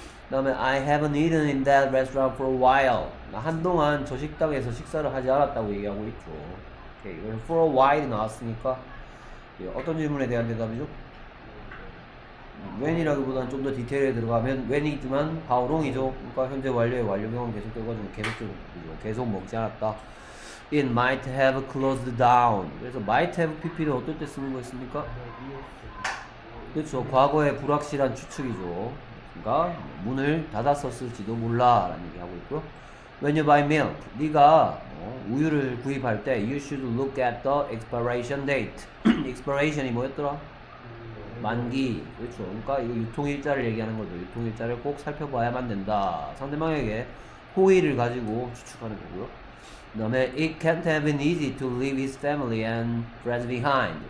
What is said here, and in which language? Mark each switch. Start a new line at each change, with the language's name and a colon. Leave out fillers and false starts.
Korean: 그다음에
English: I haven't eaten in that restaurant for a while.
Korean: 나 한동안 저 식당에서 식사를 하지 않았다고 얘기하고 있죠. 오케이, 이건
English: for a while
Korean: 나왔으니까. 어떤 질문에 대한 대답이죠? when이라기보다는 좀 더 디테일에 들어가면 when이지만 how long이죠? 그러니까 현재 완료의 완료형은 계속 떠가지고 계속 먹지 않았다.
English: It might have closed down.
Korean: 그래서 might have pp는 어떨 때 쓰는 거였습니까? 그렇죠. 과거의 불확실한 추측이죠. 그러니까 문을 닫았었을지도 몰라 라는 얘기하고 있고요.
English: When you buy milk,
Korean: 네가 우유를 구입할 때
English: you should look at the expiration date.
Korean: expiration이 뭐였더라? 만기. 그렇죠. 그러니까 이거 유통일자를 얘기하는 거죠. 유통일자를 꼭 살펴봐야만 된다. 상대방에게 호의를 가지고 추측하는 거고요. 그 다음에
English: it can't have been easy to leave his family and friends behind.